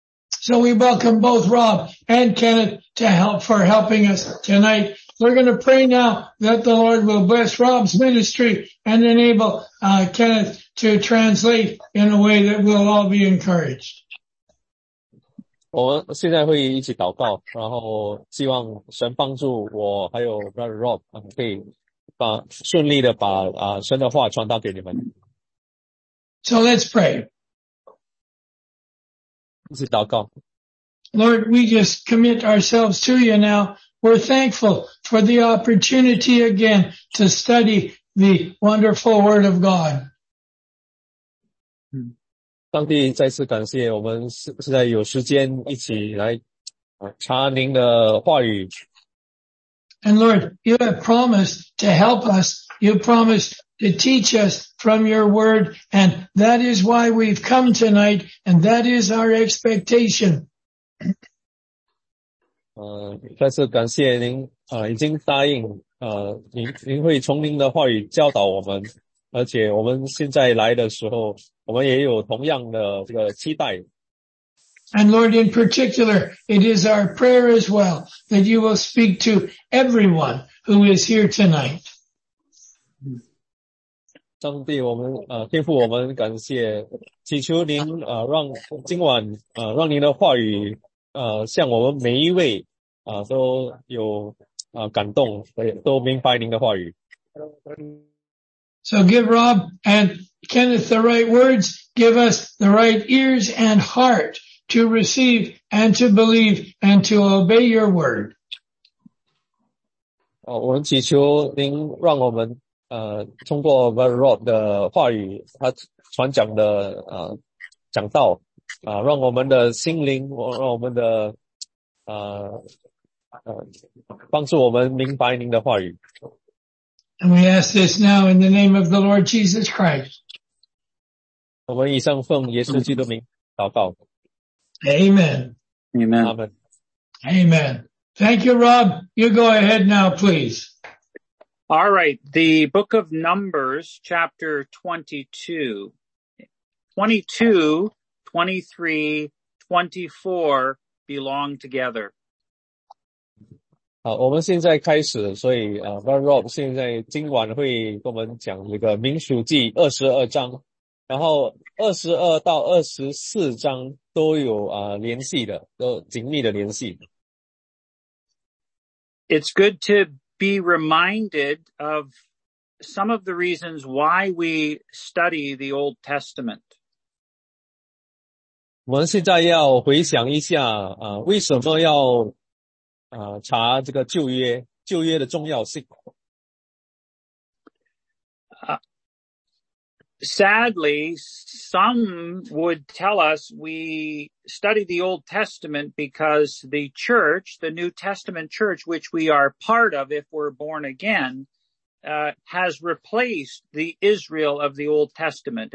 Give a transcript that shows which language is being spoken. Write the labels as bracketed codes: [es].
[en] So we welcome both Rob and Kenneth for helping us tonight. We're going to pray now that the Lord will bless Rob's ministry and enable Kenneth to translate in a way that we'll all be encouraged. [zh] 我现在会一起祷告，然后希望神帮助我还有 Brother Rob 可以顺利的把神的话传达给你们。 [en] So let's pray. [zh] 一起祷告。 [en] Lord, we just commit ourselves to you now. We're thankful for the opportunity again to study the wonderful Word of God. [zh] 上帝再次感谢我们现在有时间一起来查您的话语。 [en] And Lord, you have promised to help us. You promised to teach us from your word. And that is why we've come tonight. And that is our expectation. [zh] 再次感谢您已经答应您会从您的话语教导我们。而且我们现在来的时候我们也有同样的这个期待。 [en] And Lord, in particular, it is our prayer as well that you will speak to everyone who is here tonight. [zh] 上帝我们天父我们感谢祈求您让今晚让您的话语向我们每一位都有感动，都明白您的话语。 [en] So give Rob and Kenneth the right words, give us the right ears and heart to receive and to believe and to obey your word. [zh] 我们祈求您让我们通过 Rob 的话语，他传讲的讲道让我们的心灵，让我们的帮助我们明白您的话语。 [en] And we ask this now in the name of the Lord Jesus Christ. [zh] 我们以上奉耶稣基督名祷告。 [en] Amen. Amen. Amen. Amen. Thank you, Rob. You go ahead now, please. All right. The book of Numbers, chapter 22, 23, 24 belong together. [zh] 好，我们现在开始，所以Rob 现在今晚会跟我们讲这个民数记22章，然后22到24章都有联系的，都紧密的联系。 [en] It's good to be reminded of some of the reasons why we study the Old Testament. [zh] 我们现在要回想一下为什么要查这个旧约的重要性。 [en] Sadly, some would tell us we study the Old Testament because the church, the New Testament church, which we are part of if we're born again, has replaced the Israel of the Old Testament.